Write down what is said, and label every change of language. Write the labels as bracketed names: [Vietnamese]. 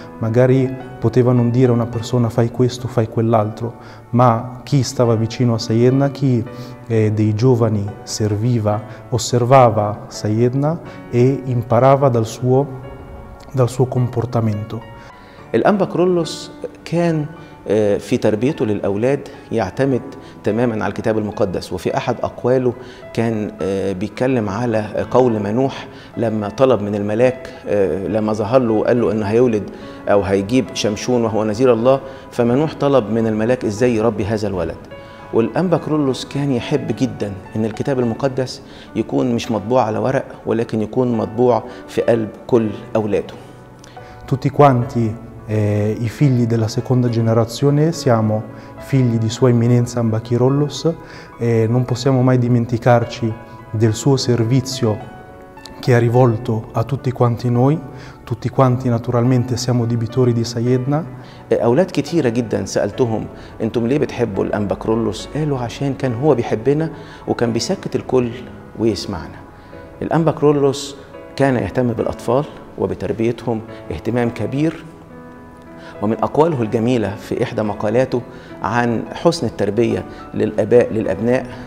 [Italian] Magari poteva non dire a una persona fai questo, fai quell'altro, ma chi stava vicino a Sayedna, chi dei giovani serviva, osservava Sayedna e imparava dal suo comportamento. [Arabic] L'Anba Kiirolos كان في تربيته للأولاد يعتمد تماما على الكتاب المقدس. وفي أحد أقواله كان بيتكلم على قول منوح لما طلب من الملاك، لما ظهر له وقال له أنه هيولد أو هيجيب شمشون وهو نذير الله، فمنوح طلب من الملاك إزاي يربي هذا الولد. والأنبا كيرولوس كان يحب جدا أن الكتاب المقدس يكون مش مطبوع على ورق، ولكن يكون مطبوع في قلب كل أولاده. [Italian] Tutti quanti i figli della seconda generazione siamo figli di Sua Eminenza Anba Kiirolos. Non possiamo mai dimenticarci del suo servizio che ha rivolto a tutti quanti noi. Tutti quanti naturalmente siamo debitori di Sayedna. [Arabic] أولاد كتيرة جدا سألتهم أنتم ليه بتحبوا الأنبا كيرولوس؟ قالوا عشان كان هو بيحبنا وكان بيسكت الكل ويسمعنا. الأنبا كيرولوس كان يهتم بالأطفال وبتربيتهم اهتمام كبير. ومن أقواله الجميلة في إحدى مقالاته عن حسن التربية للأباء للأبناء،